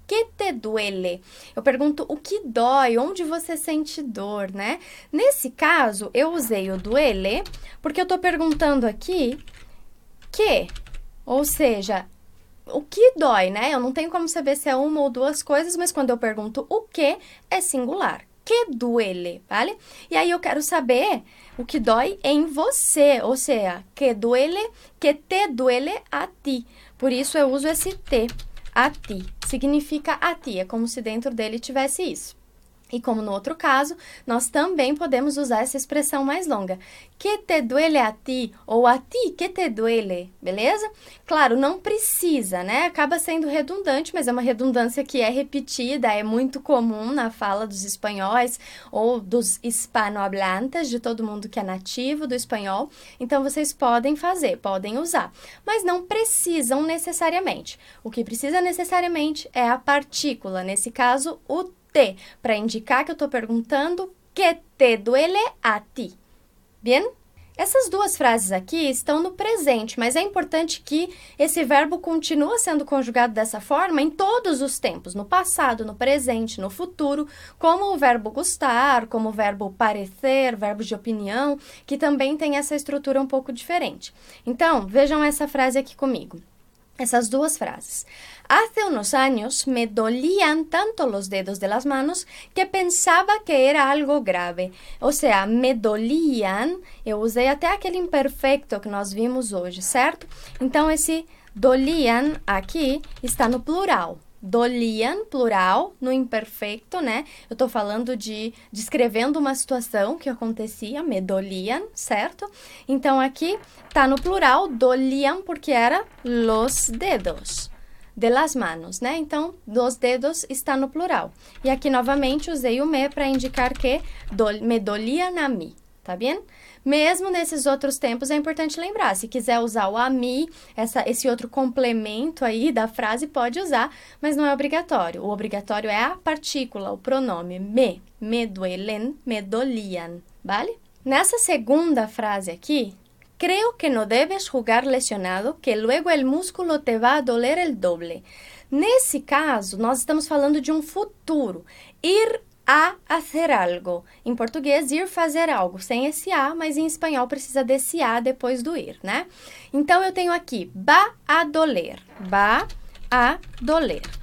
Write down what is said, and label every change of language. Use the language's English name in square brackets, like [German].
[Spanish] ¿Qué te duele? [Portuguese] Eu pergunto o que dói, onde você sente dor, né? Nesse caso, eu usei o duele porque eu estou perguntando aqui que, ou seja, o que dói, né? Eu não tenho como saber se é uma ou duas coisas, mas quando eu pergunto o que, é singular. [Spanish] que duele, ¿vale? Y ahí yo quiero saber lo que doy en você, o sea, que duele, que te duele a ti. Por eso yo uso ese te, a ti. Significa a ti, es como si [Portuguese] dentro dele tivesse isso. E como no outro caso, nós também podemos usar essa expressão mais longa. [Spanish] Que te duele a ti? Ou a ti que te duele? Beleza? [Portuguese] Claro, não precisa, né? Acaba sendo redundante, mas é uma redundância que é repetida, é muito comum na fala dos espanhóis ou dos hispanohablantes, de todo mundo que é nativo do espanhol. Então, vocês podem fazer, podem usar. Mas não precisam necessariamente. O que precisa necessariamente é a partícula, nesse caso, o T, para indicar que eu estou perguntando [Spanish] que te duele a ti. [Portuguese] Bien? Essas duas frases aqui estão no presente, mas é importante que esse verbo continua sendo conjugado dessa forma em todos os tempos, no passado, no presente, no futuro, como o verbo gustar, como o verbo parecer, verbo de opinião, que também tem essa estrutura um pouco diferente. Então, vejam essa frase aqui comigo. Essas duas frases. [Spanish] Hace unos años me dolían tanto los dedos de las manos que pensaba que era algo grave. O sea, me dolían. [Portuguese] Eu usei até aquele imperfecto que nós vimos hoje, certo? Então, esse dolían aqui está no plural. Dolían, plural, no imperfecto, né? Eu estou falando de descrevendo uma situação que acontecia, me dolían, certo? Então aqui está no plural, dolían, porque era los dedos, de las manos, né? Então, los dedos está no plural. E aqui novamente usei o me para indicar que [Spanish] me dolían a mí, [Portuguese] tá bem? Mesmo nesses outros tempos, é importante lembrar, se quiser usar o a mí, esse outro complemento aí da frase, pode usar, mas não é obrigatório. O obrigatório é a partícula, o pronome me duelen, me dolían, vale? Nessa segunda frase aqui, [Spanish] creo que no debes jugar lesionado, que luego el músculo te va a doler el doble. [Portuguese] Nesse caso, nós estamos falando de um futuro. A hacer algo. Em português, ir fazer algo, sem esse a, mas em espanhol precisa desse a depois do ir, né? Então eu tenho aqui va a doler. Va a doler.